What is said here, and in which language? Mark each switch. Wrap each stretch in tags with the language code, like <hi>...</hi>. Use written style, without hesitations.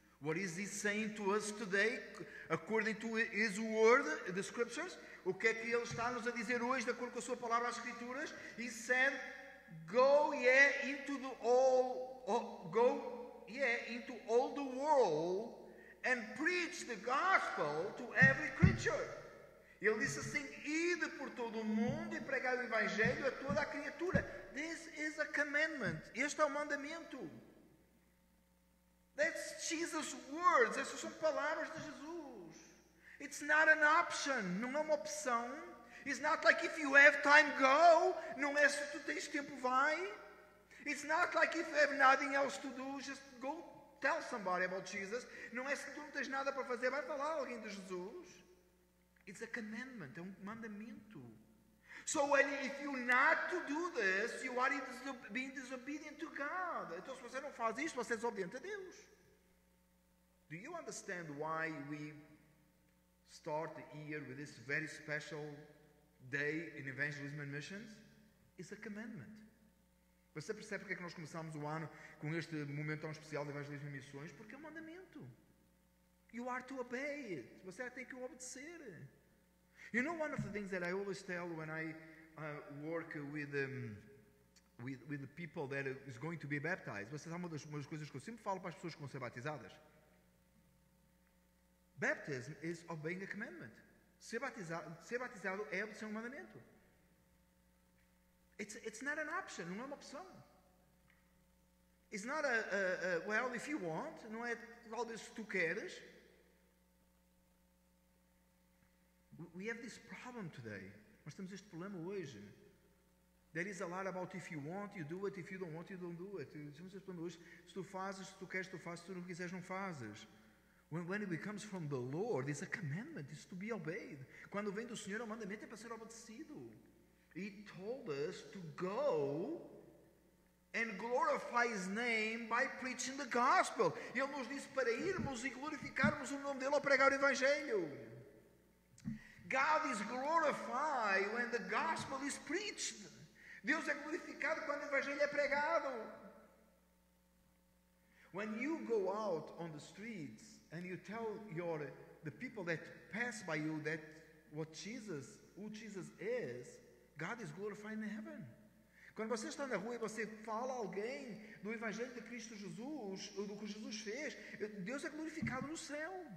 <en>What is he saying to us today, according to his word, the scriptures?</en> <pt>O que é que ele está-nos a dizer hoje, de acordo com a sua palavra, as escrituras?</pt> <en>He said, Go into all the world and preach the gospel to every creature.</en> <pt>Ele disse assim: ide por todo o mundo e pregai o evangelho a toda a criatura.</pt> <en>This is a commandment.</en> <pt>Este é um mandamento.</pt> <en>That's Jesus' words.</en> <pt>Essas são palavras de Jesus.</pt> <en>It's not an option.</en> <pt>Não é uma opção.</pt> <en>It's not like if you have time, go.</en> <pt>Não é se tu tens tempo, vai.</pt> <en>It's not like if you have nothing else to do, just go tell somebody about Jesus.</en> <pt>Não é se tu não tens nada para fazer, vai falar alguém de Jesus.</pt> <en>It's a commandment,</en> <pt>é um mandamento.</pt> <en>So when, if you not to do this, you are being disobedient to God.</en> <pt>Então se você não faz isto, você é desobediente a Deus.</pt> <en>Do you understand why we start the year with this very special day in evangelism and missions? It's a commandment.</en> <pt>Você percebe porque é que nós começamos o ano com este momento tão especial de evangelismo e missões? Porque é um mandamento.</pt> <en>You are to obey it.</en> <pt>Você tem que obedecer.</pt> <en>You know, one of the things that I always tell when I work with the people that is going to be baptized.</en> <pt>Você sabe uma das coisas que eu sempre falo para as pessoas que vão ser batizadas?</pt> <en>Baptism is obeying a commandment.</en> <pt>Ser batizado é obedecer um mandamento.</pt> <en>It's not an option,</en> <pt>não é uma opção.</pt> <en>It's not well, if you want,</en> <pt>não é talvez se tu queres.</pt> <en>We have this problem today.</en> <pt>Nós temos este problema hoje.</pt> <en>There is a lot about if you want, you do it. If you don't want, you don't do it.</en> <pt>Nós temos este problema hoje. Se tu fazes, se tu queres, tu fazes. Se tu não quiseres, não fazes.</pt> <en>When it comes from the Lord, it's a commandment, it's to be obeyed.</en> <pt>Quando vem do Senhor, o mandamento é para ser obedecido.</pt> <en>He told us to go and glorify His name by preaching the gospel.</en> <pt>Ele nos disse para irmos e glorificarmos o nome dEle ao pregar o Evangelho.</pt> <en>God is glorified when the gospel is preached.</en> <pt>Deus é glorificado quando o Evangelho é pregado.</pt> <en>When you go out on the streets, and you tell the people that pass by you that who Jesus is, God is glorified in heaven.</en> <pt>Quando você está na rua e você fala a alguém do evangelho de Cristo Jesus, do que Jesus fez, Deus é glorificado no céu.</pt>